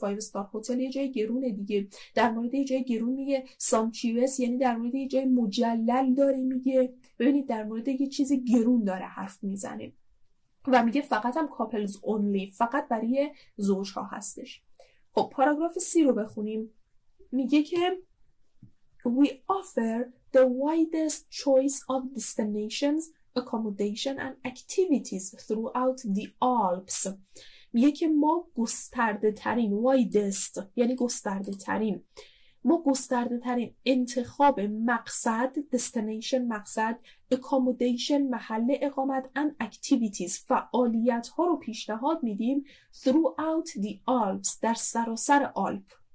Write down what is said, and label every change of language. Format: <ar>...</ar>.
<fa>5 star هتل یه جای گرونه دیگه. در مورد یه جای گرون میگه. sumptuous یعنی در مورد یه جای مجلل داره میگه. ببینید در مورد یه چیز گرون داره حرف میزنه و میگه فقط هم</fa> <en>couples only،</en> <fa>فقط برای زوجها هستش. خب پاراگراف 30 رو بخونیم. میگه که</fa> <en>We offer the widest choice of destinations, accommodation and activities throughout the Alps.</en> <fa>میگه که ما گسترده ترین، widest یعنی گسترده ترین، ما گسترده ترین انتخاب مقصد، destination مقصد، accommodation محل اقامت</fa> <en>and activities</en> <fa>فعالیت ها رو پیشنهاد میدیم</fa> <en>throughout the Alps</en> <fa>در سراسر آلپ.</fa>